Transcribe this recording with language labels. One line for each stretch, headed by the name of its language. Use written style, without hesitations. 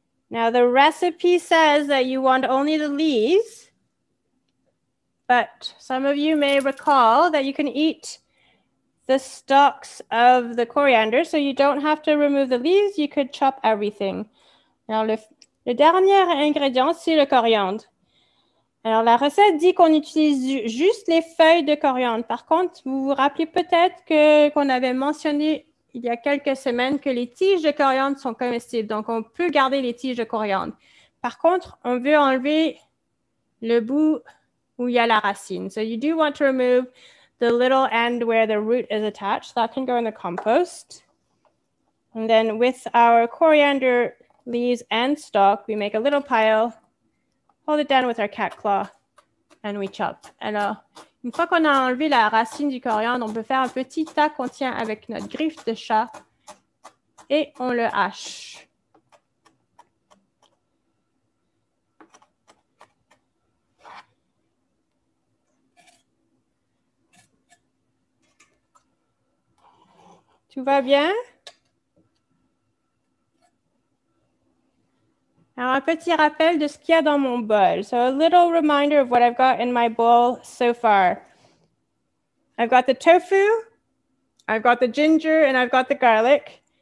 English: Now the recipe says that you want only the leaves, but some of you may recall that you can eat the stalks of the coriander, so you don't have to remove the leaves, you could chop everything.
French: Now le dernier ingrédient, c'est le coriandre. Alors, la recette dit qu'on utilise juste les feuilles de coriandre. Par contre, vous vous rappelez peut-être qu'on avait mentionné il y a quelques semaines que les tiges de coriandre sont comestibles. Donc, on peut garder les tiges de coriandre. Par contre, on veut enlever le bout où il y a la racine.
English: So, you do want to remove the little end where the root is attached. That can go in the compost. And then, with our coriander leaves and stalk, we make a little pile. Hold it down with our cat claw and we chop.
French: Alors, une fois qu'on a enlevé la racine du coriandre, on peut faire un petit tas qu'on tient avec notre griffe de chat et on le hache. Tout va bien? petit rappel de ce qu'il y a dans mon bol.
English: So a little reminder of what I've got in my bowl so far. I've got the tofu, I've got the ginger, and I've got the garlic.